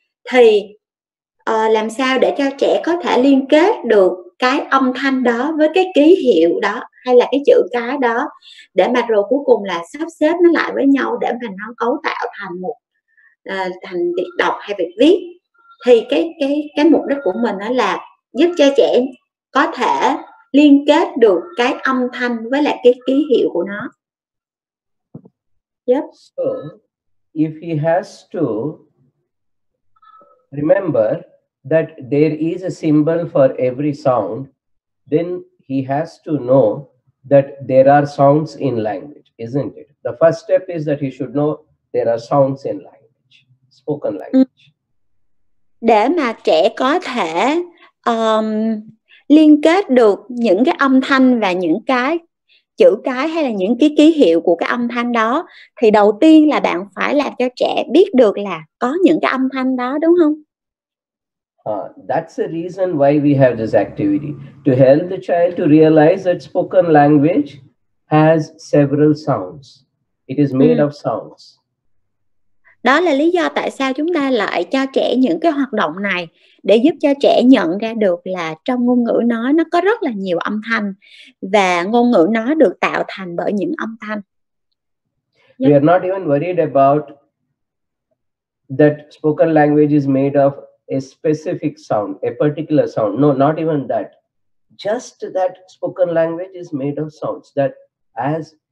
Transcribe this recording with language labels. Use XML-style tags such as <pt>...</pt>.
<vi>Thì làm sao để cho trẻ có thể liên kết được cái âm thanh đó với cái ký hiệu đó hay là cái chữ cái đó, để mà rồi cuối cùng là sắp xếp nó lại với nhau để mà nó cấu tạo thành một thành việc đọc hay việc viết. Thì cái mục đích của mình đó là giúp cho trẻ có thể liên kết được cái âm thanh với lại cái ký hiệu của nó.</vi> <en>Yep. So, if he has to remember that there is a symbol for every sound, then he has to know that there are sounds in language, isn't it? The first step is that he should know there are sounds in language, spoken language.</en> <vi>Để mà trẻ có thể liên kết được những cái âm thanh và những cái chữ cái hay là những cái ký hiệu của cái âm thanh đó, thì đầu tiên là bạn phải làm cho trẻ biết được là có những cái âm thanh đó, đúng không?</vi> <en>That's the reason why we have this activity, to help the child to realize that spoken language has several sounds. It is made of sounds.</en> <vi>Đó là lý do tại sao chúng ta lại cho trẻ những cái hoạt động này, để giúp cho trẻ nhận ra được là trong ngôn ngữ nói nó có rất là nhiều âm thanh, và ngôn ngữ nói được tạo thành bởi những âm thanh.</vi> <en>Yep. We are not even worried about that spoken language is made of a specific sound, a particular sound. No, not even that. Just that spoken language is made of sounds. That as</en>